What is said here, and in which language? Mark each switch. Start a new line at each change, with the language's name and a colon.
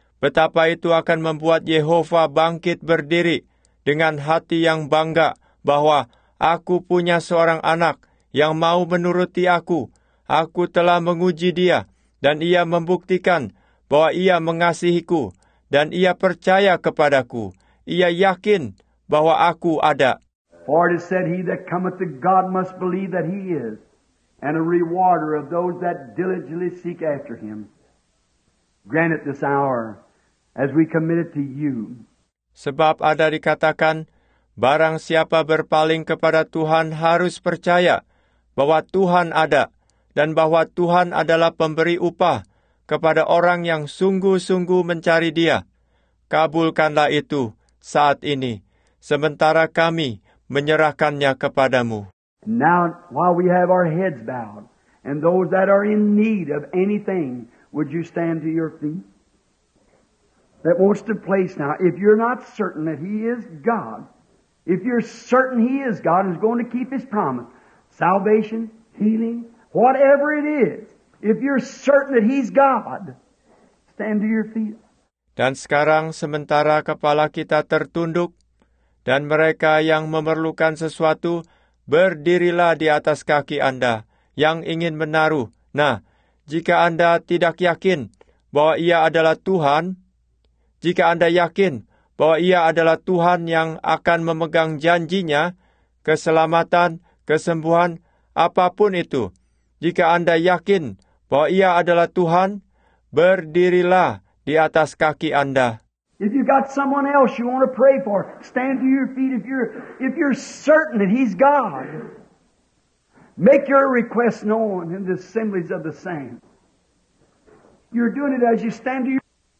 Indonesian: Betapa itu akan membuat Yehova bangkit berdiri dengan hati yang bangga bahwa aku punya seorang anak yang mau menuruti aku. Aku telah menguji dia dan ia membuktikan bahwa ia mengasihiku dan ia percaya kepadaku. Ia yakin bahwa aku ada.
English: For it is said, he that cometh to God must believe that he is, and a rewarder of those that diligently seek after him. Grant it this hour. As we commit it to you.
Indonesian: Sebab ada dikatakan, barang siapa berpaling kepada Tuhan harus percaya bahwa Tuhan ada dan bahwa Tuhan adalah pemberi upah kepada orang yang sungguh-sungguh mencari Dia. Kabulkanlah itu saat ini, sementara kami menyerahkannya kepadamu.
English: Now, while we have our heads bowed, and those that are in need of anything, would you stand to your feet? That wants to place now, if you're not certain that He is God, if you're certain He is God and is going to keep His promise, salvation, healing, whatever it is, if you're certain that He's God, stand to your feet.
Indonesian: Dan sekarang sementara kepala kita tertunduk dan mereka yang memerlukan sesuatu, berdirilah di atas kaki Anda yang ingin menaruh. Nah, jika Anda tidak yakin bahwa Ia adalah Tuhan, jika Anda yakin bahwa Ia adalah Tuhan yang akan memegang janjinya, keselamatan, kesembuhan, apapun itu, jika Anda yakin bahwa Ia adalah Tuhan, berdirilah di atas kaki Anda.
English: If you've got someone else you want to pray for, stand to your feet if you're certain that He's God. Make your request known in the assemblies of the saints. You're doing it as you stand to your feet.